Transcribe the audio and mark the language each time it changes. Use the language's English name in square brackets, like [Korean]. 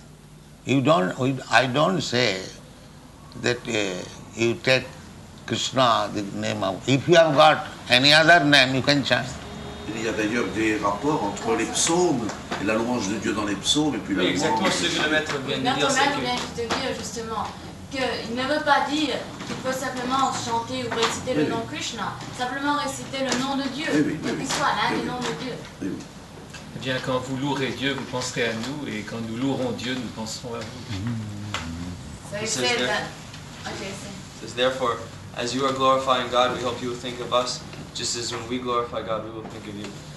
[English] I don't say that you take Krishna, the name of... If you have got any other name, you can chant. [French] Il y a d'ailleurs des rapports entre les psaumes et la louange de Dieu dans les psaumes et puis la louange... Oui, exactement, ce que le maître vient de dire, c'est que... Notre maître vient de dire, justement, qu'il ne veut pas dire qu'il faut simplement chanter ou réciter le nom Krishna, simplement réciter le nom de Dieu, quel que soit l'un des noms de Dieu. Eh bien, quand vous louerez Dieu, vous penserez à nous, et quand nous louerons Dieu, nous penserons à vous. [English] So it says therefore, as you are glorifying God, we hope you will think of us, just as when we glorify God, we will think of you.